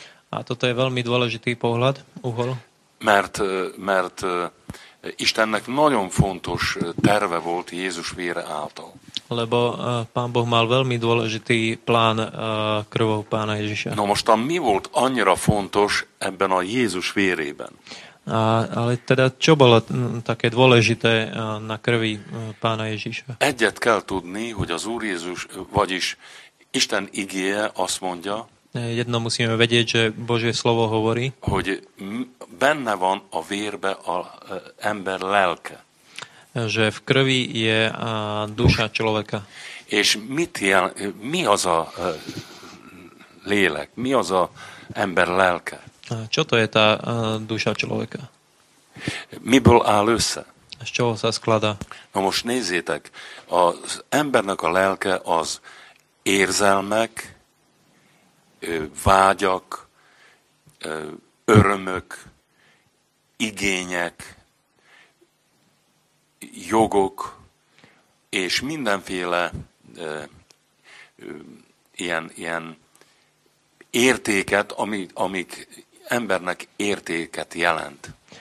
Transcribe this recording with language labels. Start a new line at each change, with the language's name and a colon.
Slovak: A toto je veľmi dôležitý pohľad, uhol.
Hungarian: mert Istennek nagyon fontos terve volt Jézus vére által.
Slovak: Lebo Pán Boh mal veľmi dôležitý plán krvou Pána Ježiša.
Hungarian: No most tam mi volt annyira fontos ebben a Jézus vérében?
Slovak: Ale teda čo bolo také dôležité na krvi Pána Ježiša?
Hungarian: Egyet kell tudni, hogy az Úr Jézus, vagyis Isten igéje azt mondja,
Slovak: jedno musíme vedieť, že Božie slovo hovorí,
Hungarian: hogy benne van a vérbe a ember lelke.
Slovak: Že v krvi je a duša človeka.
Hungarian: És mit jel, mi az a lélek? Mi az a ember lelke?
Slovak: A čo to je tá duša človeka?
Hungarian: Miből áll össze?
Slovak: Z čoho sa skladá?
Hungarian: No most nézzétek, az embernek a lelke az érzelmek, vágyak, örömök, igények, jogok, és mindenféle ilyen értéket, amik embernek értéket jelent.